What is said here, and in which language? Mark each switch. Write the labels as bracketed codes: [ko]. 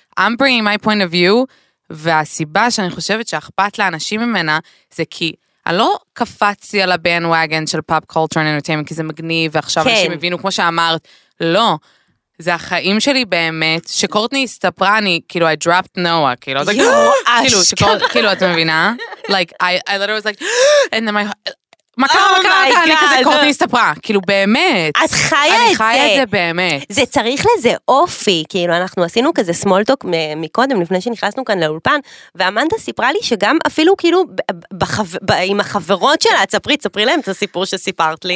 [en] I'm bringing my point of view, [he] והסיבה שאני חושבת שאכפת לאנשים ממנה, זה כי אני לא קפצתי על הבנדווגן של פופ קולטור אנטרטיימנט, כי זה מגניב, ועכשיו אנשים הבינו, כמו שאמרת, לא, זה החיים שלי באמת, שקורטני הסתפרה, אני, כאילו, [en] I dropped Noah, [he] כאילו, זה כאילו, כאילו, את מבינה? [en] Like, I literally was like, and then my... [he] מכה, אני כזה קורטני הסתפרה, כאילו באמת. את חיה את זה. אני חיה את זה באמת. זה צריך לזה אופי, כאילו אנחנו עשינו כזה סמול טוק מקודם, לפני שנכנסנו כאן לאולפן, ואמנדה סיפרה לי שגם אפילו כאילו, עם החברות שלה, תספרי להם את הסיפור שסיפרת לי.